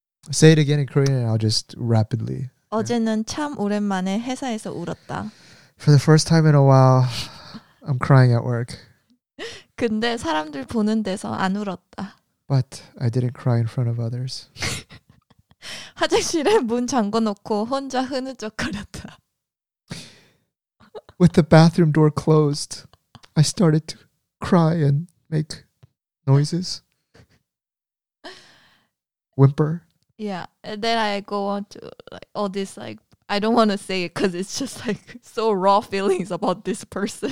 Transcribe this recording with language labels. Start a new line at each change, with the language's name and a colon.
English: Say it again in Korean and I'll just rapidly.
Korean: 어제는 참 오랜만에 회사에서 울었다.
English: For the first time in a while, I'm crying at work.
Korean: 근데 사람들 보는 데서 안 울었다.
English: But I didn't cry in front of others.
Korean: 화장실에 문 잠궈놓고 혼자 흐느적거렸다.
English: With the bathroom door closed, I started to cry and make noises. Whimper. Yeah, and then I go on to like all this, like, I don't want to say it because it's just like so raw feelings about this person.